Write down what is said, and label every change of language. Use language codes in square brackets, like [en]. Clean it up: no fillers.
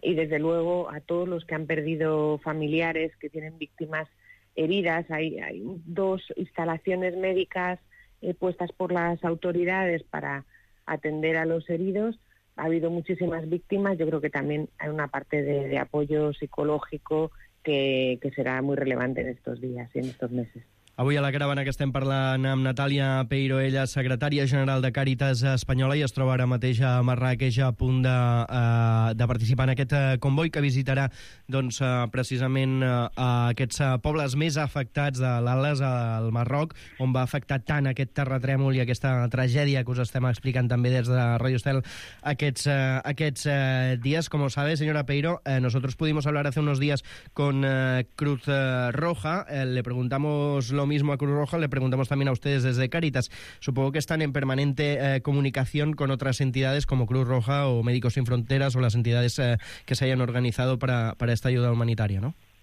[es] Y desde luego a todos los que han perdido familiares, que tienen víctimas heridas, hay dos instalaciones médicas puestas por las autoridades para atender a los heridos. Ha habido muchísimas víctimas, yo creo que también hay una parte de apoyo psicológico que será muy relevante en estos días y en estos meses. [ca] Avui a la caravana que estem parlant amb Natàlia Peiro, ella és secretària general de Càritas Espanyola i es troba ara mateix a Marràqueix a punt de participar en aquest comboi que visitarà doncs, precisament aquests pobles més afectats de l'Atlas al Marroc, on va afectar tant aquest terratrèmol i aquesta tragèdia que us estem explicant també des de Radio Estel aquests dies. [es] Como sabe, señora Peiro, nosotros pudimos hablar hace unos días con Cruz Roja, le preguntamos lo mismo a Cruz Roja, le preguntamos también a ustedes desde Cáritas. Supongo que están en permanente comunicación con otras entidades como Cruz Roja o Médicos Sin Fronteras o las entidades que se hayan organizado para esta ayuda humanitaria, ¿no?